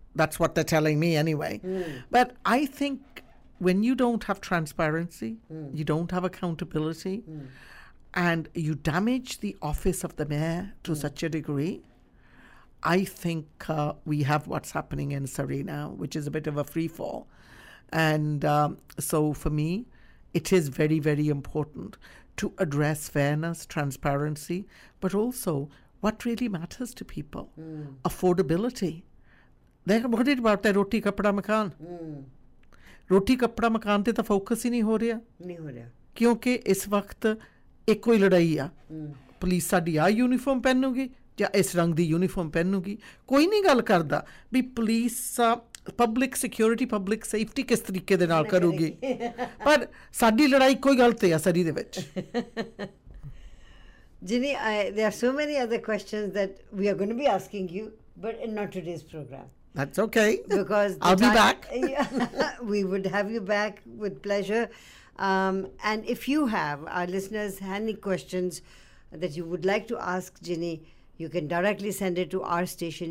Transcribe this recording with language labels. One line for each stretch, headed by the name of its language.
English: That's what they're telling me anyway. But I think, when you don't have transparency, you don't have accountability, and you damage the office of the mayor to such a degree, I think we have what's happening in Surrey now, which is a bit of a free fall. And so for me, it is very, very important to address fairness, transparency, but also what really matters to people. Affordability. They're worried about their
Punjabi: roti, kapda, makan. ਰੋਟੀ ਕੱਪੜਾ ਮਕਾਨ ਤੇ ਤਾਂ focus ਹੀ ਨਹੀਂ ਹੋ ਰਿਹਾ ਕਿਉਂਕਿ ਇਸ ਵਕਤ ਇੱਕੋ ਹੀ ਲੜਾਈ ਆ ਪੁਲਿਸ ਸਾਡੀ ਆਹ ਯੂਨੀਫਾਰਮ ਪਹਿਨੂਗੀ ਜਾਂ ਇਸ ਰੰਗ ਦੀ ਯੂਨੀਫਾਰਮ ਪਹਿਨੂਗੀ ਕੋਈ ਨਹੀਂ ਗੱਲ ਕਰਦਾ ਵੀ police public security public safety ਕਿਸ ਤਰੀਕੇ ਦੇ ਨਾਲ ਕਰੂਗੀ ਪਰ ਸਾਡੀ ਲੜਾਈ ਕੋਈ ਗਲਤ ਆ ਸਰੀ ਦੇ ਵਿੱਚ
English: Jinny, there are so many other questions that we are going to be asking you, but in not today's program. That's okay. Because I'll be back. We would have you back with pleasure. And if you have, our listeners, any questions that you would like to ask Jinny, you can directly send it to our station.